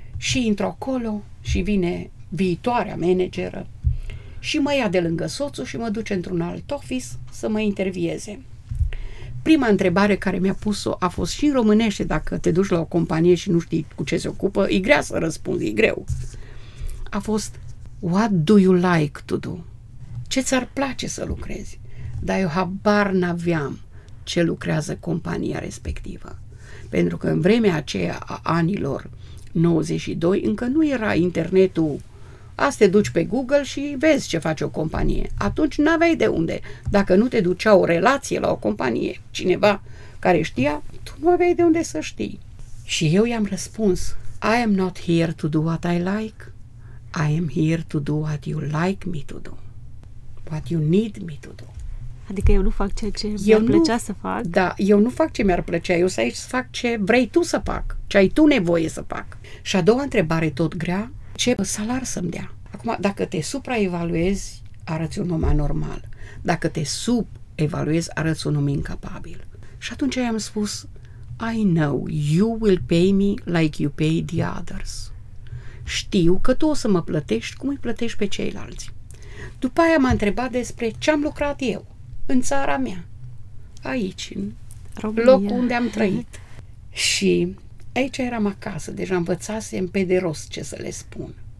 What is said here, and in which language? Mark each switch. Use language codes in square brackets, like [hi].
[ro] Și intru acolo și vine viitoarea manageră și mă ia de lângă soțul și mă duce într-un alt office să mă intervieze. Prima întrebare care mi-a pus-o a fost și în românește, dacă te duci la o companie și nu știi cu ce se ocupă, e grea să răspunzi, e greu. A fost, [en] what do you like to do? [ro] Ce ți-ar place să lucrezi? Dar eu habar n-aveam ce lucrează compania respectivă. Pentru că în vremea aceea a anilor 92 încă nu era internetul. Azi te duci pe Google și vezi ce face o companie. Atunci n-aveai de unde. Dacă nu te ducea o relație la o companie, cineva care știa, tu nu aveai de unde să știi. Și eu i-am răspuns, [en] I am not here to do what I like, I am here to do what you like me to do, what you need me to do. [ro] Adică eu nu fac ceea ce mi-ar plăcea să fac. Da, eu nu fac ce mi-ar plăcea, eu să aici să fac ce vrei tu să fac, ce ai tu nevoie să fac. Și a doua întrebare, tot grea, ce salar să-mi dea? Acum, dacă te supraevaluezi, arăți un om anormal. Dacă te subevaluezi, arăți un om incapabil. Și atunci i-am spus, [en] I know, you will pay me like you pay the others. [ro] Știu că tu o să mă plătești cum îi plătești pe ceilalți. După aia m-a întrebat despre ce-am lucrat eu în țara mea, aici, în România, locul unde am trăit. Și aici eram acasă, deja învățasem pe de rost ce să le spun.